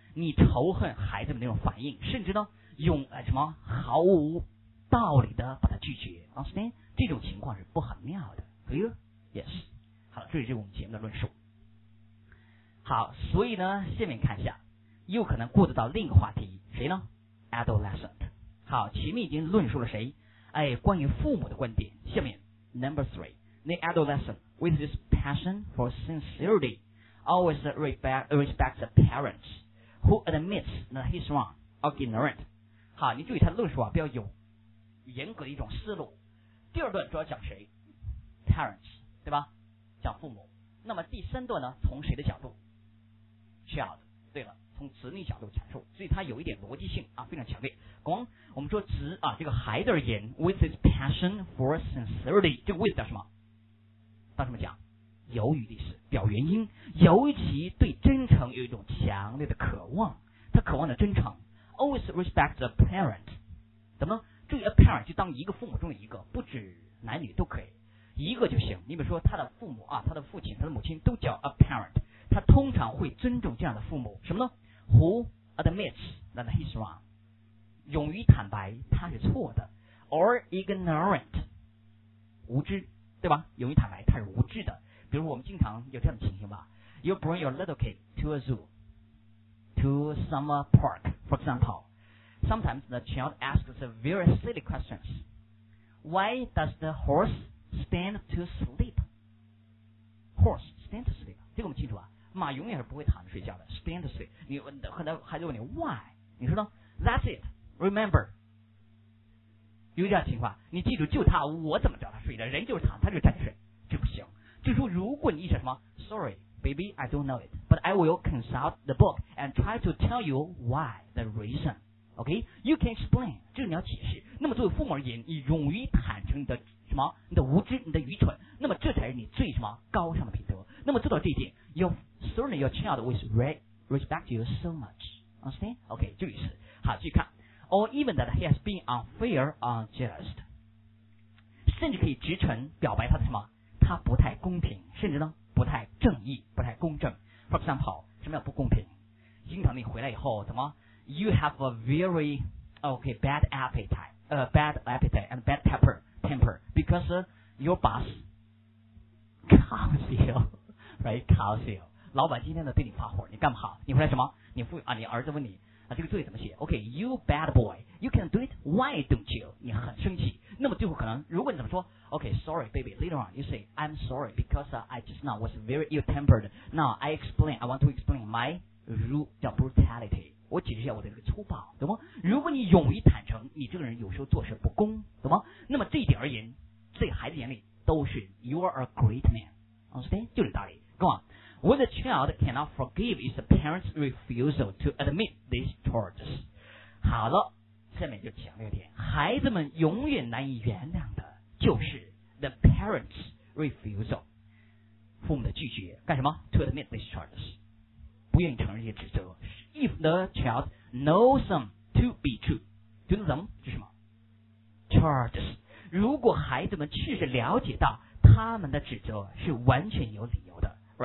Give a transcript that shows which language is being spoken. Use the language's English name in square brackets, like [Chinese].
[Chinese] 你仇恨孩子们那种反应，甚至呢，用什么毫无道理的把他拒绝 ， [English] understand？ [Chinese] 这种情况是不很妙的 ， [English] clear？ Yes， [Chinese] 好，这是我们节目的论述。好，所以呢，下面看一下，又可能过渡到另一个话题，谁呢 ？adolescent。好，前面已经论述了谁？哎，关于父母的观点。下面 [English] number three， the adolescent with his passion for sincerity always respects the parents who admits that he's wrong or ignorant。 [Chinese] 好，你注意他的论述啊，比较有严格的一种思路。第二段主要讲谁 ？parents， 对吧？讲父母。那么第三段呢，从谁的角度 ？child。对了。从子女角度阐述，所以它有一点逻辑性啊，非常强烈。光我们说子啊，这个孩子而言 ， [English] with his passion for sincerity， [Chinese] 这个 with 叫什么？当什么讲？由于历史表原因，尤其对真诚有一种强烈的渴望，他渴望的真诚。 [English] Always respect the parent， [Chinese] 怎么呢？注意 a parent 就当一个父母中的一个，不止男女都可以，一个就行。你比如说他的父母啊，他的父亲、他的母亲都叫 a parent。他通常会尊重这样的父母，什么呢 ？ [English] Who admits that he's wrong， [Chinese] 勇于坦白他是错的 ， [English] or ignorant， [Chinese] 无知，对吧？勇于坦白他是无知的。 [English] 比如我们经常有这样的情形吧 ，You bring your little kid to a zoo， to summer park， for example， sometimes the child asks a very silly questions， Why does the horse stand to sleep？ Horse stand to sleep， [Chinese] 这个我们清楚啊。马永远是不会躺着睡觉的 [English] stand to sleep。 [Chinese] 你问的孩子问你 why， 你说呢 [English] that's it remember， [Chinese] 有这样的情况，你记住就他，我怎么找他睡的，人就是躺他就站着睡，这不行。就说如果你意识什么 [English] sorry baby I don't know it but I will consult the book and try to tell you why the reason， OK you can explain， [Chinese] 就是你要解释。那么作为父母而言，你勇于坦诚你的什么，你的无知，你的愚蠢，那么这才是你最什么高尚的品德。那么做到这一点， [English] Certainly your child will respect you so much. Understand? OK, [Chinese] 注意是。好，继续看。 [English] Or even that he has been unfair or unjust. [Chinese] 甚至可以直陈表白他的什么？他不太公平，甚至呢不太正义，不太公正。 For example, 什么叫不公平？经常你回来以后怎么 [English] ？You have a very bad appetite, bad appetite and bad temper because your boss calls you, right? Calls you. [Chinese] 老板今天呢对你发火，你干不好，你回来什么？你儿子问你啊，这个作业怎么写 [English] ？OK, you bad boy, you can do it. Why don't you? [Chinese] 你很生气。那么最后可能，如果你怎么说 ？ [English] OK, sorry, baby. Later on, you say I'm sorry because I just now was very ill-tempered. Now I explain. I want to explain my brutality. [Chinese] 我解释一下我的这个粗暴，懂吗？如果你勇于坦诚，你这个人有时候做事不公，懂吗？那么这一点而言，在孩子眼里都是 [English] you are a great man. Understand? [Chinese] 就这道理。 [English] Go on. When the child cannot forgive is the parent's refusal to admit these charges. [Chinese] 好了，下面就讲了一点，孩子们永远难以原谅的就是 [English] the parent's refusal， [Chinese] 父母的拒绝干什么 ？ [English] To admit these charges， [Chinese] 不愿意承认这些指责。 [English] If the child knows them to be true， [Chinese] 就是怎么？是什么 ？Charges， 如果孩子们确实了解到他们的指责是完全有理由的。